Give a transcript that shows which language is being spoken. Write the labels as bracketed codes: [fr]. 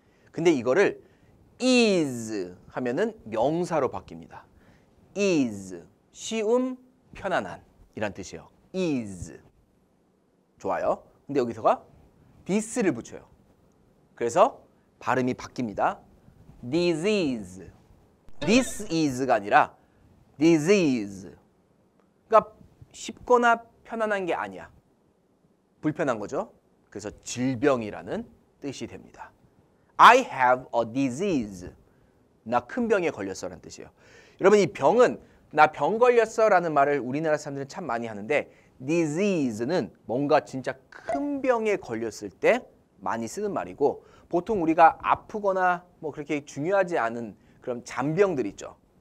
[ko] 근데 이거를 is 하면은 명사로 바뀝니다. is, 쉬움, 편안한 이란 뜻이에요. is. 좋아요. 근데 여기서가 this를 붙여요. 그래서 발음이 바뀝니다. disease. this is가 아니라 disease. 그러니까 쉽거나 편안한 게 아니야. 불편한 거죠. 그래서 질병이라는 뜻이 됩니다. [en] I have a disease. [ko] 나 큰 병에 걸렸어라는 뜻이에요. 여러분 이 병은 나 병 걸렸어라는 말을 우리나라 사람들은 참 많이 하는데 disease는 뭔가 진짜 큰 병에 걸렸을 때 많이 쓰는 말이고, 보통 우리가 아프거나 뭐 그렇게 중요하지 않은 그런 잔병들 있죠.